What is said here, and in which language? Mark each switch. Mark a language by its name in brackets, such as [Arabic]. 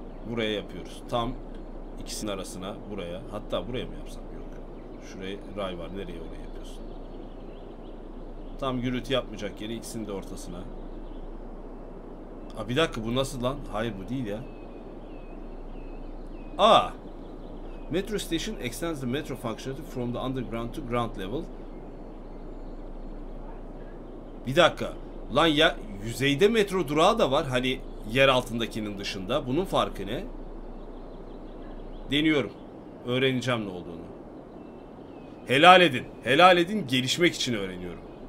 [Turkish] Buraya yapıyoruz. Tam ikisinin arasına, buraya. Hatta buraya mı yapsam? Yok. Şuraya ray var. Nereye oraya yapıyorsun? Tam gürültü yapmayacak yeri ikisinin de ortasına. Aa, bir dakika, bu nasıl lan? Hayır, bu değil ya. Aa! [English] Metro station extends the metro functionality from the underground to ground level. [Turkish] Bir dakika. Lan ya, yüzeyde metro durağı da var. Hani yer altındakinin dışında. Bunun farkı ne? Deniyorum. Öğreneceğim ne olduğunu. Helal edin. Helal edin. Gelişmek için öğreniyorum.